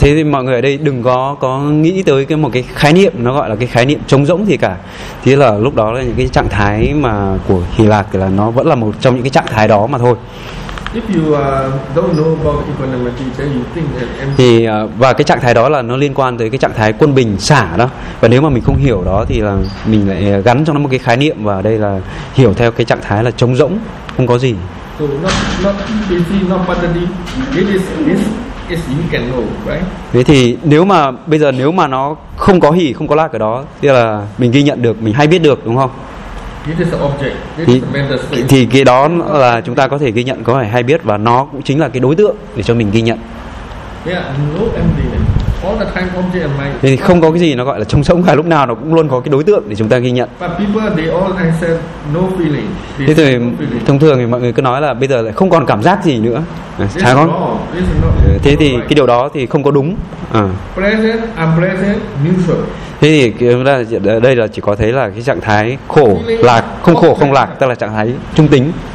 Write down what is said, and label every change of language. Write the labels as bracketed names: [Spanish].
[Vietnamese] Thế thì mọi người ở đây đừng có nghĩ tới cái một cái khái niệm nó gọi là cái khái niệm trống rỗng gì cả. Thế là lúc đó là những cái trạng thái mà của hỷ lạc thì là nó vẫn là một trong những cái trạng thái đó mà thôi. [English] If you don't know about equanimity, then you think that empty. [Vietnamese] Thì và cái trạng thái đó là nó liên quan tới cái trạng thái quân bình xả đó. Và nếu mà mình không hiểu đó thì là mình lại gắn cho nó một cái khái niệm và đây là hiểu theo cái trạng thái là trống rỗng, không có gì. [English] So not easy, not badly. It is you can know, right? [Vietnamese] Thế thì nếu mà bây giờ nếu mà nó không có hỉ, không có lạc ở đó, thì là mình ghi nhận được, mình hay biết được, đúng không? [English] It is the object. This is the mental state. [Vietnamese] Thì cái đó là chúng ta có thể ghi nhận, có thể hay biết và nó cũng chính là cái đối tượng để cho mình ghi nhận. [English] Yeah, no empty. All the time object and mind. [Vietnamese] Thế thì không có cái gì nó gọi là trống rỗng cả, lúc nào nó cũng luôn có cái đối tượng để chúng ta ghi nhận. [English] But people they all the time said no feeling. [Vietnamese] Thế thì thông thường thì mọi người cứ nói là bây giờ lại không còn cảm giác gì nữa. Chán không? Thế thì cái điều đó thì không có đúng. [English] Present, unpresent, neutral. [Vietnamese] Thế thì chúng ta đây là chỉ có thấy là cái trạng thái khổ lạc, không khổ không lạc, tức là trạng thái trung tính.